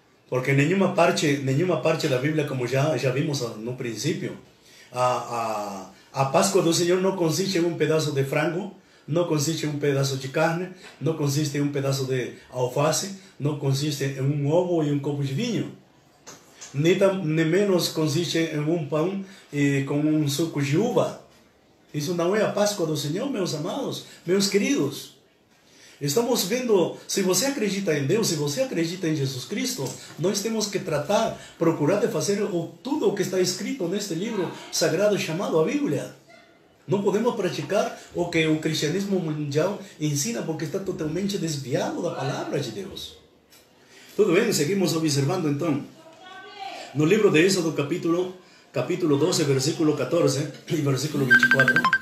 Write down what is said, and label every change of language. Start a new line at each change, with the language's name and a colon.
Spanish: Porque en ninguna parte de la Biblia, como ya vimos en un principio, a Pascua del Señor no consiste en un pedazo de frango, no consiste en un pedazo de carne, no consiste en un pedazo de alface, no consiste en un huevo y un copo de vino, ni menos consiste en un pan con un suco de uva. Eso no es a Pascua del Señor,
Portuguese: meus amados, meus queridos.
Spanish: Estamos viendo,
Portuguese: si você acredita en Dios, si você acredita en Jesus Cristo, nós temos que tratar, procurar de fazer todo o que está escrito neste libro sagrado chamado a Biblia.
Spanish: No podemos practicar o que el cristianismo mundial ensina porque está totalmente desviado de la palabra de Dios. Todo bien, seguimos observando entonces. No libro de Éxodo, capítulo 12, versículo 14 y versículo 24.